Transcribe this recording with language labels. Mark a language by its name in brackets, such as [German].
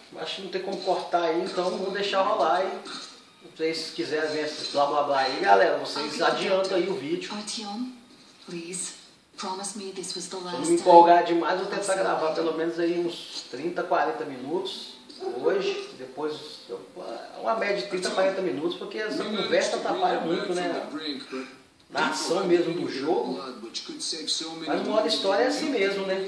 [Portuguese] Acho que não tem como cortar aí, então vou deixar rolar aí. Se vocês quiserem ver esses blá blá blá aí, galera, vocês adiantam aí o vídeo. [English] Artyom, please, promise me this was the last. [Portuguese] Se me empolgar demais, vou tentar gravar pelo menos aí uns 30, 40 minutos hoje. Depois, uma média de 30, 40 minutos, porque essa conversa atrapalha muito, né? Na ação mesmo do jogo. Mas no modo de história é assim mesmo, né?